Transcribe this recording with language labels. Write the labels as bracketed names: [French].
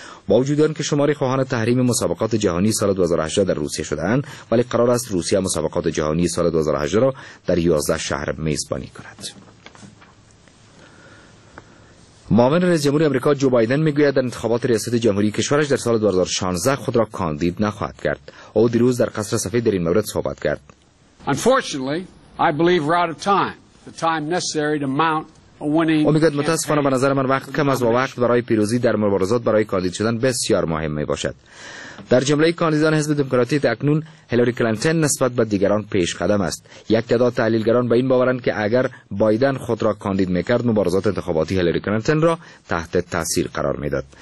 [Persian] با وجود آن که شماری خواهان تحریم مسابقات جهانی سال 2018 در روسیه شده اند، ولی قرار است روسیه مسابقات جهانی سال 2018 را در 11 شهر میزبانی کند. معاون رئیس جمهور آمریکا جو بایدن میگوید در انتخابات ریاست جمهوری کشورش در سال 2016 خود را کاندید نخواهد کرد. او دیروز در قصر سفید در این مورد صحبت کرد. [English] Unfortunately, I believe we're out of time. The time necessary to mount a winning campaign. [Persian] او میگوید متاسفانه به نظر من وقت کم از و وقت برای پیروزی در مبارزات برای کاندید شدن بسیار مهم میباشد. در جمله کاندیدان حزب دموکراتیک اکنون هیلاری کلینتون نسبت به دیگران پیش قدم است. یک تعداد تحلیلگران به این باورند که اگر بایدن خود را کاندید میکرد، مبارزات انتخاباتی هیلاری کلینتون را تحت تاثیر قرار میداد.